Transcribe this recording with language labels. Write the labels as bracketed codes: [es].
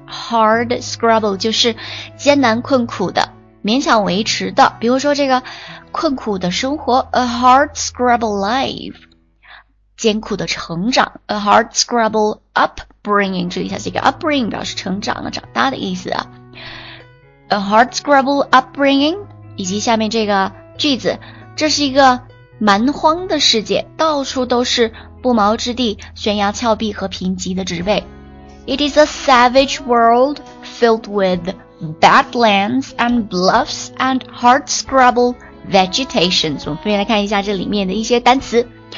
[zh] Hard scrabble 就是艰难困苦的，勉强维持的，比如说这个困苦的生活， [en] A hard scrabble life， [zh] 艰苦的成长， [en] A hard scrabble upbringing， [zh] 注意一下这个 upbringing 表示成长了，长大的意思啊。 [en] A hard scrabble upbringing， [zh] 以及下面这个句子，这是一个蛮荒的世界，到处都是不毛之地，悬崖峭壁和贫瘠的植被。 [en] It is a savage world filled with badlands and bluffs and hardscrabble vegetation. [zh] 我们分别来看一下这里面的一些单词。